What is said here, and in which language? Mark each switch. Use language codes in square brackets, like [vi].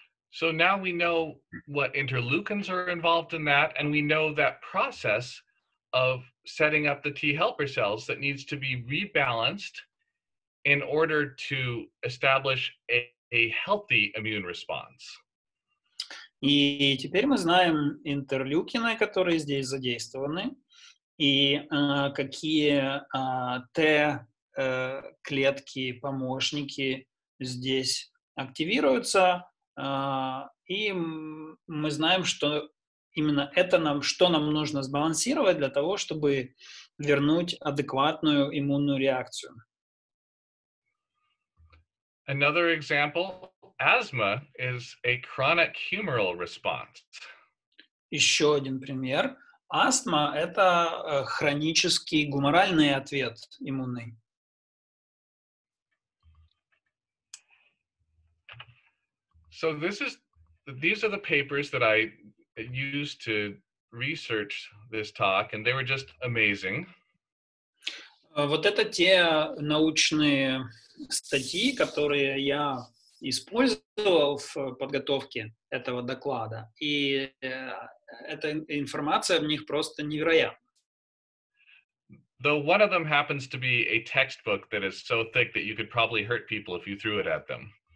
[en] So now we know what interleukins are involved in that, and we know that process of setting up the T helper cells that needs to be rebalanced in order to establish a healthy immune response. [ru] И теперь мы знаем интерлюкины, которые здесь задействованы, и какие Т-клетки, помощники здесь активируются. И мы знаем, что именно это нам, что нам нужно сбалансировать для того, чтобы вернуть адекватную иммунную реакцию. [en] Another example, asthma is a chronic humoral response. [ru] Еще один пример. Астма – это хронический гуморальный ответ иммунный. [en] So this is, these are the papers that I used to research this talk, and they were just amazing. [ru] Вот это те научные статьи, которые я использовал в подготовке этого доклада, и эта информация в них просто невероятна. [en] Though one of them happens to be a textbook that is so thick that you could probably hurt people if you threw it at them.